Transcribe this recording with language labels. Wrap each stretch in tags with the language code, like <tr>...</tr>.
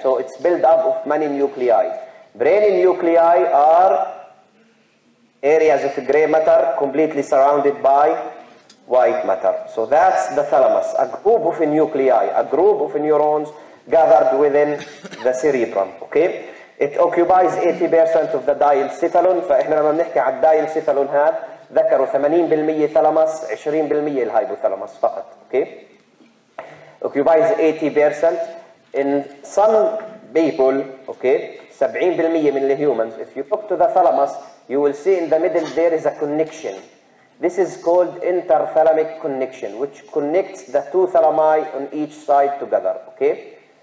<en>So it's built up of many nuclei. Brain nuclei are areas of gray matter completely surrounded by white matter. So that's the thalamus, a group of nuclei, a group of neurons gathered within the cerebrum, okay? It occupies 80% of the diencephalon.</en> <ar>فإحنا لما بنحكي على diencephalon هاد ذكروا 80% thalamus, 20% الهايبوثالاموس فقط, okay?</ar> <en>Occupies 80%. In some people, okay, 70% من the humans, if you talk to the thalamus, you will see in the middle there is a connection. This is called interthalamic connection, which connects the two thalami on each side together, okay?</en>